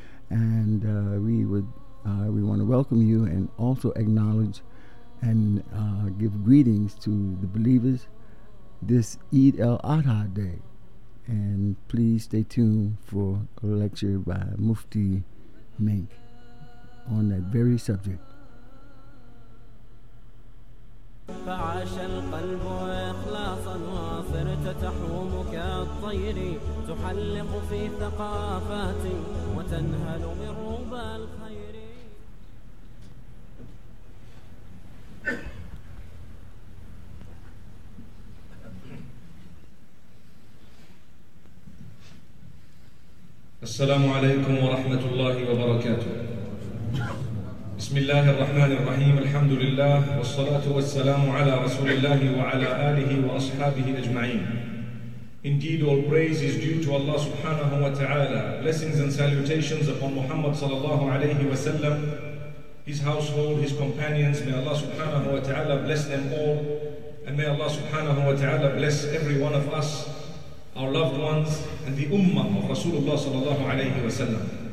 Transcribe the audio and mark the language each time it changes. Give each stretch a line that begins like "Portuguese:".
English: And we want to welcome you and also acknowledge and give greetings to the believers this Eid al-Adha day. And please stay tuned for a lecture by Mufti Mink on that very subject.
Arabic: فعاش القلب إخلاصا وصرت تحوم كالطير تحلق في ثقافات وتنهل من ربى الخير. السلام عليكم ورحمة الله وبركاته. بسم الله الرحمن الرحيم. الحمد لله والصلاة والسلام على رسول الله وعلى آله وأصحابه أجمعين.
English: Indeed, all praise is due to Allah subhanahu wa ta'ala. Blessings and salutations upon Muhammad sallallahu alayhi wa sallam, his household, his companions. May Allah subhanahu wa ta'ala bless them all. And may Allah subhanahu wa ta'ala bless every one of us, our loved ones, and the ummah of Rasulullah sallallahu alayhi wa sallam.